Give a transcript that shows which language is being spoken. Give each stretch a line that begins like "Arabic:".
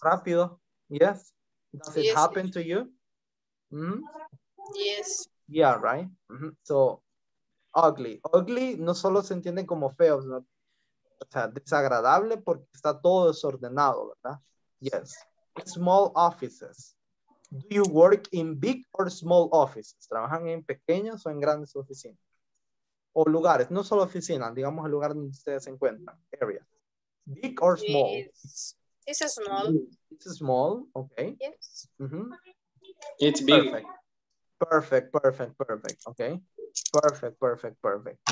English: Rápido. Yes. Does it happen to you? Mm-hmm. Yes. Yeah, right. Mm-hmm. So, ugly.
Spanish: Ugly no solo se entiende como feo, sino, o sea, desagradable porque está todo desordenado, ¿verdad?
English: Yes. Small offices. Do you work in big or small offices?
Spanish: ¿Trabajan en pequeños o en grandes oficinas? O lugares, no solo oficinas, digamos el lugar donde ustedes se encuentran, areas.
English: Big or small? It's small. It's small, okay. Yes. Mm-hmm. It's big. Perfect, perfect, perfect, okay. Perfect, perfect, perfect.